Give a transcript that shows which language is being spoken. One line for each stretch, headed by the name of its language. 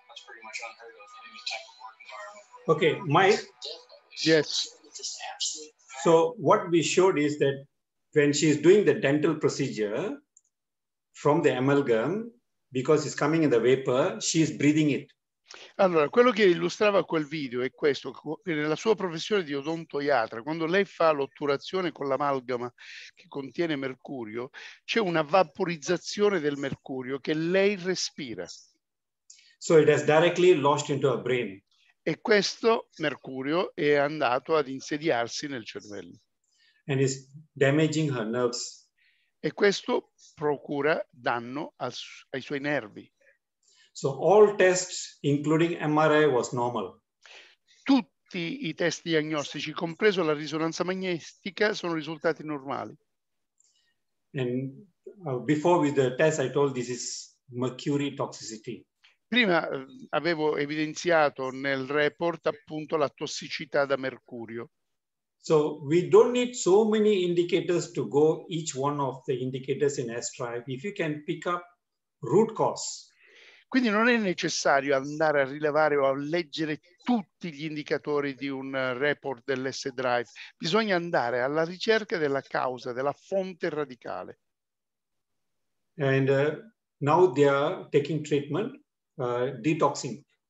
English: That's pretty much unheard of in any type of work environment. Okay, Mike? Yes. So what we showed is that when she's doing the dental procedure from the amalgam, because it's coming in the vapor, she's breathing it.
Italian: Allora, quello che illustrava quel video è questo. Nella sua professione di odontoiatra, quando lei fa l'otturazione con l'amalgama che contiene mercurio, c'è una vaporizzazione del mercurio che lei respira.
English: So it has directly lost into her brain.
Italian: E questo mercurio è andato ad insediarsi nel cervello.
English: And is damaging her nerves.
Italian: E questo procura danno ai suoi nervi.
English: So all tests, including MRI, was normal.
Italian: Tutti i test diagnostici, compreso la risonanza magnetica, sono risultati normali.
English: And before with the test, I told this is mercury toxicity.
Italian: Prima avevo evidenziato nel report appunto la tossicità da mercurio.
English: So we don't need so many indicators to go each one of the indicators in S-Drive. If you can pick up root cause.
Italian: Quindi non è necessario andare a rilevare o a leggere tutti gli indicatori di un report dell'S-Drive, bisogna andare alla ricerca della causa, della fonte radicale.
English: And now they are taking treatment, detoxing.